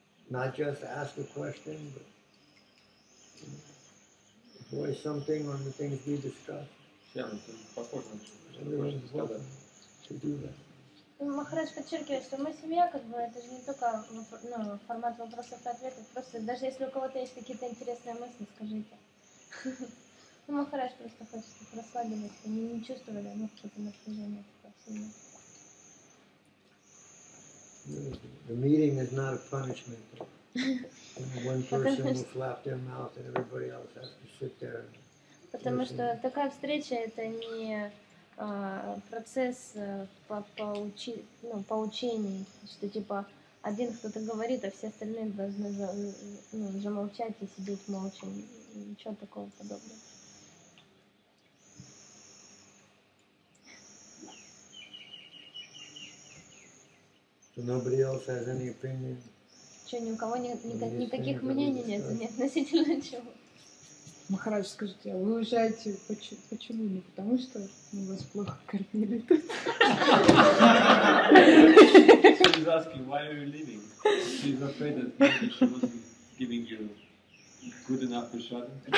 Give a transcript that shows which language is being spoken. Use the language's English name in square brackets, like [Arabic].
[English] Not just ask a question, but voice something on the things we discuss. Everyone's welcome to do that. [Russian] Махарадж подчеркивает, что мы семья, как бы это же не только ну, формат вопросов и ответов, просто даже если у кого-то есть какие-то интересные мысли, скажите. Ну, Махарадж просто хочет, чтобы расслабились, они не чувствовали, ну, что-то напряжение такое сильное. [English] The meeting is not a punishment. One person will flap their mouth and everybody else has to sit there. [Russian] Потому что такая встреча это не процесс по учению, что типа один кто-то говорит, а все остальные должны замолчать и сидеть молча, ничего такого подобного. [English] So nobody else has any opinion? [Russian] Что, ни у кого никаких мнений нет относительно чего? Махарадж, скажите, а вы уезжаете почему? Не потому что мы вас плохо кормили тут? [English] So he's asking, why are you leaving? She's afraid that she wasn't giving you good enough for shot.